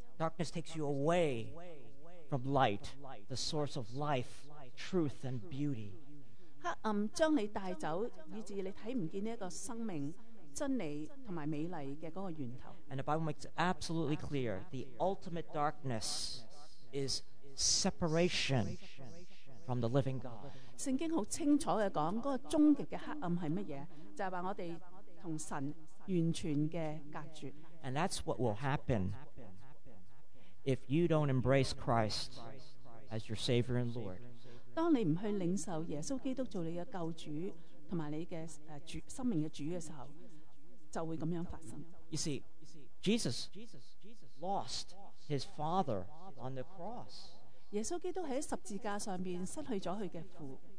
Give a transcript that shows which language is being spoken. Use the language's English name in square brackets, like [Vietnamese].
[English] Darkness takes you away from light, the source of life, truth, and beauty. [Chinese] 黑暗將你帶走， 以致你看不見這個生命， 真理和美麗的那個源頭。 [English] And the Bible makes it absolutely clear, the ultimate darkness is separation from the living God. [Chinese] 聖經很清楚地說，那個終極的黑暗是什麼？就是說我們跟神完全的隔絕。 [English] And that's what will happen if you don't embrace Christ as your Savior and Lord. [Chinese] 當你不去領受耶穌基督做你的救主和你的生命的主的時候， 就會這樣發生。 [English] You see, Jesus lost his Father on the cross. [Chinese] 耶穌基督在十字架上失去了他的父。